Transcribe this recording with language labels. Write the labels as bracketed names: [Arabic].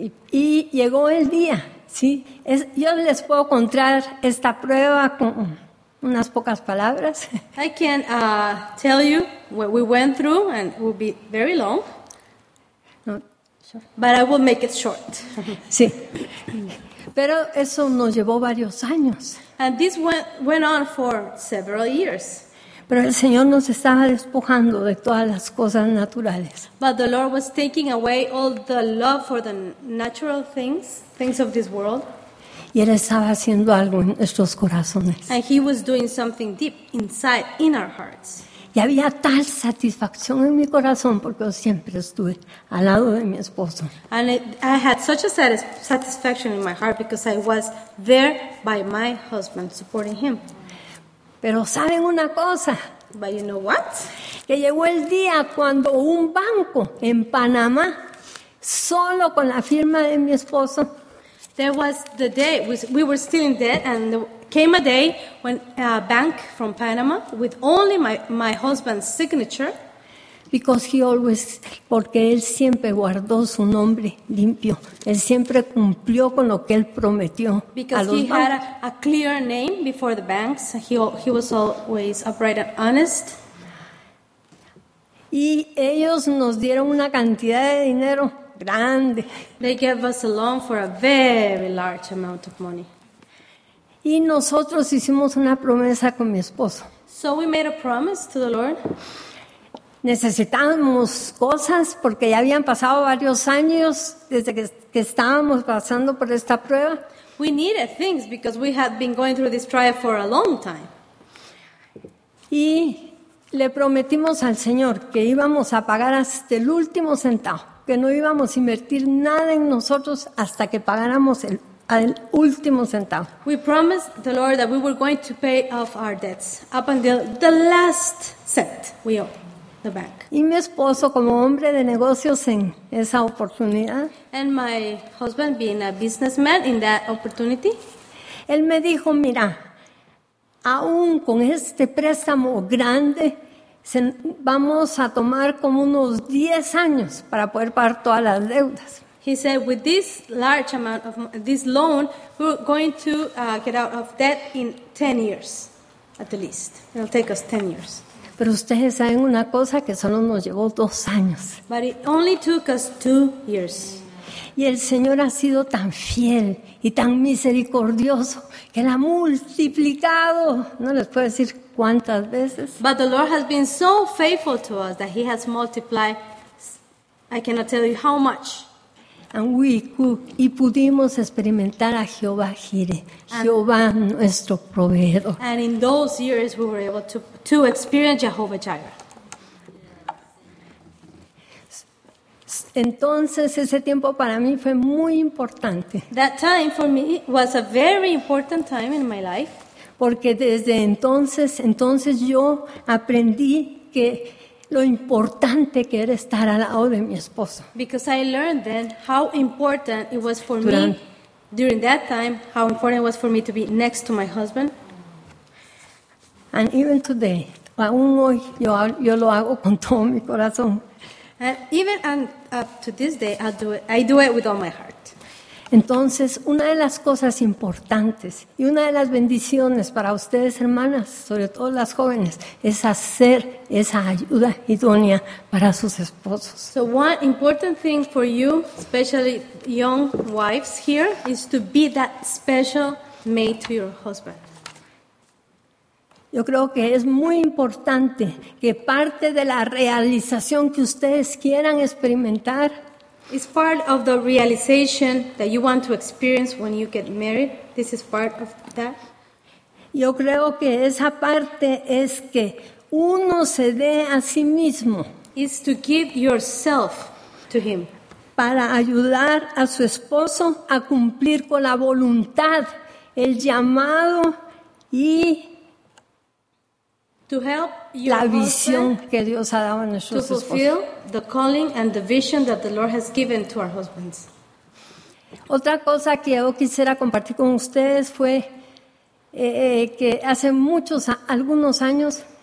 [Spanish] Y llegó el día, ¿sí? Yo les puedo contar esta prueba unas pocas palabras. [English] I can tell you what we went through, and it will be very long. [Spanish] No. [English] But I will make it short. [Spanish] Sí. Pero eso nos llevó varios años. [English] And this went on for several years. [Spanish] Pero el Señor nos estaba despojando de todas las cosas naturales. [English] But the Lord was taking away all the love for the natural things of this world. [Spanish] Y Él estaba haciendo algo en nuestros corazones. [English] And He was doing something deep inside, in our hearts. [Spanish] Y había tal satisfacción en mi corazón porque yo siempre estuve al lado de mi esposo. [English] And I had such a satisfaction in my heart because I was there by my husband, supporting him. [Spanish] Pero ¿saben una cosa? [English] But you know what? [Spanish] Que llegó el día cuando un banco en Panamá, solo con la firma de mi esposo, [English] there was the day we were still in debt, and came a day when a bank from Panama with only my husband's signature, because he always, [Spanish] porque él siempre guardó su nombre limpio, él siempre cumplió con lo que él prometió a los bancos. [English] Because he had a clear name before the banks, he was always upright and honest. [Spanish] Y ellos nos dieron una cantidad de dinero grande. [English] They gave us a loan for a very large amount of money. [Spanish] Y nosotros hicimos una promesa con mi esposo. [English] So we made a promise to the Lord. [Spanish] Necesitábamos cosas porque ya habían pasado varios años desde que estábamos pasando por esta prueba. [English] We needed things because we had been going through this trial for a long time. [Spanish] Y le prometimos al Señor que íbamos a pagar hasta el último centavo, que no íbamos a invertir nada en nosotros hasta que pagáramos el último centavo. [English] We promised the Lord that we were going to pay off our debts up until the last cent we owe the bank. [Spanish] Y mi esposo, como hombre de negocios en esa oportunidad, [English] and my husband being a businessman in that opportunity, [Spanish] él me dijo, mira, aún con este préstamo grande, vamos a tomar como unos 10 años para poder pagar todas las deudas. [English] He said, with this large amount of this loan, we're going to get out of debt in 10 years, at the least. It'll take us 10 years. [Spanish] Pero ustedes saben una cosa, que solo nos llevó 2 años. [English] But it only took us 2 years. [Spanish] Y el Señor ha sido tan fiel y tan misericordioso que la ha multiplicado. No les puedo decir cuántas veces. [English] But the Lord has been so faithful to us that He has multiplied. I cannot tell you how much. And we could, [Spanish] y pudimos experimentar a Jehová Jireh, Jehová nuestro proveedor. [English] And in those years we were able to experience Jehovah Jireh. [Spanish] Entonces ese tiempo para mí fue muy importante. [English] That time for me was a very important time in my life. [Spanish] Porque desde entonces yo aprendí que lo importante que era estar al lado de mi esposo. [English] Because I learned then how important it was for me during that time, how important it was for me to be next to my husband. And even today, [Spanish] aún hoy, yo lo hago con todo mi corazón. [English] And even up to this day, I do it with all my heart. [Spanish] Entonces, una de las cosas importantes y una de las bendiciones para ustedes, hermanas, sobre todo las jóvenes, es hacer esa ayuda idónea para sus esposos. [English] So one important thing for you, especially young wives here, is to be that special mate to your husband. [Spanish] Yo creo que es muy importante que parte de la realización que ustedes quieran experimentar, [English] it's part of the realization that you want to experience when you get married. This is part of that. [Spanish] Yo creo que esa parte es que uno se dé a sí mismo. [English] It's to give yourself to him. [Spanish] Para ayudar a su esposo a cumplir con la voluntad, el llamado y [English] to help your [Spanish] la visión que Dios ha dado a nuestros esposos. [English] To fulfill the calling and the vision that the Lord has given to our husbands. [Spanish] Otra cosa que yo quisiera compartir con ustedes fue que hace algunos años,